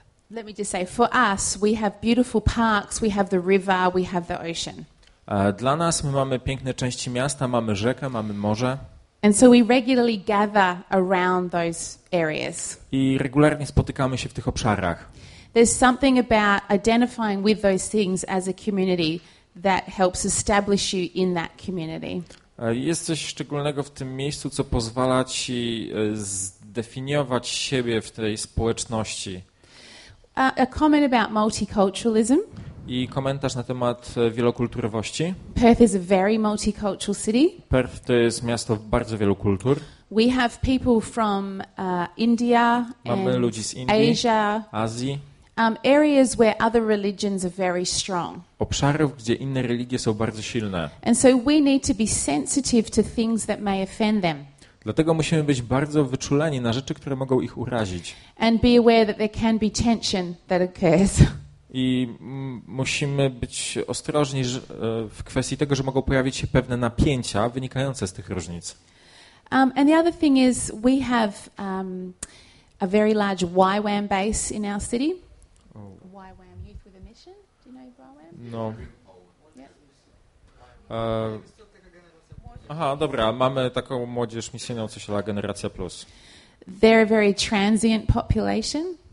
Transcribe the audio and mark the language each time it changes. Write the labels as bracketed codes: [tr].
[en] Let me just say, for us, we have beautiful parks, we have the river, we have the ocean. [pl] Dla nas my mamy piękne części miasta, mamy rzekę, mamy morze. [en] And so we regularly gather around those areas. [pl] I regularnie spotykamy się w tych obszarach. [en] There's something about identifying with those things as a community that helps establish you in that community. [pl] Jest coś szczególnego w tym miejscu, co pozwala ci zdefiniować siebie w tej społeczności. [en] A comment about multiculturalism. [pl] I komentarz na temat wielokulturowości. [en] Perth is a very multicultural city. [pl] Perth to jest miasto bardzo wielu kultur. [en] We have people from India [pl] Mamy [en] and [pl] ludzi z Indii, [en] Asia, [pl] Azji. [en] Areas where other religions are very strong. [pl] Obszarów, gdzie inne religie są bardzo silne. [en] And so we need to be sensitive to things that may offend them. [pl] Dlatego musimy być bardzo wyczuleni na rzeczy, które mogą ich urazić. [en] And be aware that there can be tension that occurs. [pl] I musimy być ostrożni w kwestii tego, że mogą pojawić się pewne napięcia wynikające z tych różnic. [en] And the other thing is we have a very large YWAM base in our city. Oh. YWAM, Youth with a Mission. Do you know YWAM? No. Yep. [pl] Aha, dobra, mamy taką młodzież misyjną, co się nazywa Generacja Plus. [en] They're a very transient population.